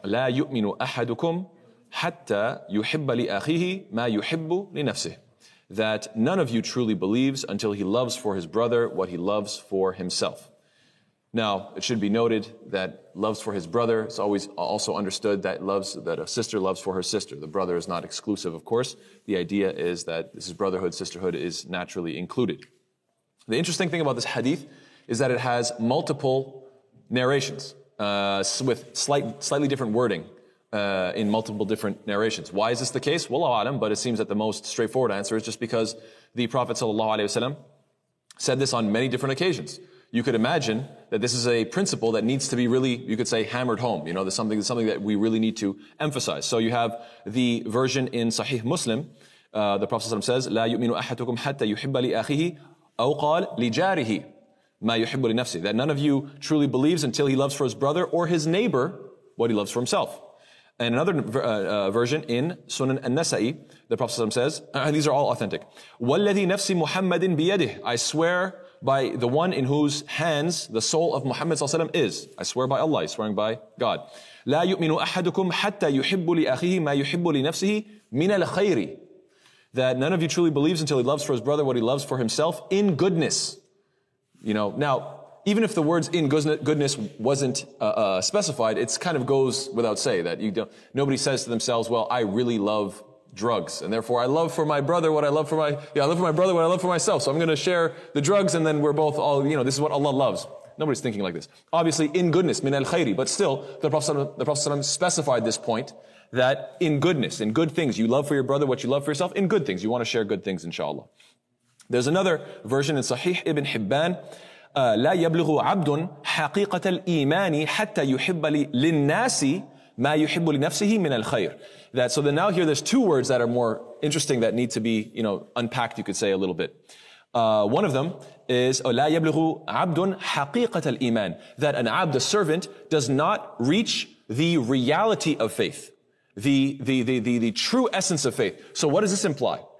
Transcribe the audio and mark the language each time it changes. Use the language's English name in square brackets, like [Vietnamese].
[Arabic] لا يؤمن أحدكم حتى يحب لأخيه ما يحب لنفسه. [English] That none of you truly believes until he loves for his brother what he loves for himself. Now, it should be noted that loves for his brother is always also understood that loves that a sister loves for her sister. The brother is not exclusive, of course. The idea is that this is brotherhood, sisterhood is naturally included. The interesting thing about this hadith is that it has multiple narrations with slightly different wording. In multiple different narrations. Why is this the case? Wallahu a'lam, but it seems that the most straightforward answer is just because the Prophet ﷺ said this on many different occasions. You could imagine that this is a principle that needs to be really, you could say, hammered home. You know, there's something that we really need to emphasize. So you have the version in Sahih Muslim. The Prophet ﷺ says, [Arabic] لا يؤمن أحدكم حتى يحب لأخيه أو قال لجاره ما يحب لنفسه. [English] That none of you truly believes until he loves for his brother or his neighbor what he loves for himself. And another version in Sunan An-Nasa'i, the Prophet ﷺ says, and these are all authentic. [Arabic] وَالَّذِي نَفْسِ مُحَمَّدٍ بِيَدِهِ [English] I swear by the one in whose hands the soul of Muhammad ﷺ is. I swear by Allah, swearing by God. [Arabic] لَا يُؤْمِنُ أَحَدُكُمْ حَتَّى يُحِبُّ لِأَخِهِ مَا يُحِبُّ لِنَفْسِهِ مِنَ الْخَيْرِ [English] That none of you truly believes until he loves for his brother what he loves for himself in goodness. You know, now, even if the words in goodness wasn't specified, it kind of goes without say that nobody says to themselves, well, I really love drugs and therefore I love for my brother what I love for myself. So I'm going to share the drugs and then we're both all, you know, this is what Allah loves. Nobody's thinking like this. Obviously, in goodness, min al-khayri, but still, the Prophet specified this point that in goodness, in good things, you love for your brother what you love for yourself, in good things, you want to share good things, inshallah. There's another version in Sahih Ibn Hibban, [Arabic] لا يبلغ عبد حقيقة الإيمان حتى يحب للناس ما يحب لنفسه من الخير. [English] That so then now here there's two words that are more interesting that need to be unpacked, you could say, a little bit. One of them is [Arabic] لا يبلغ عبد حقيقة الإيمان, [English] that an abd, a servant, does not reach the reality of faith, the true essence of faith. So what does this imply?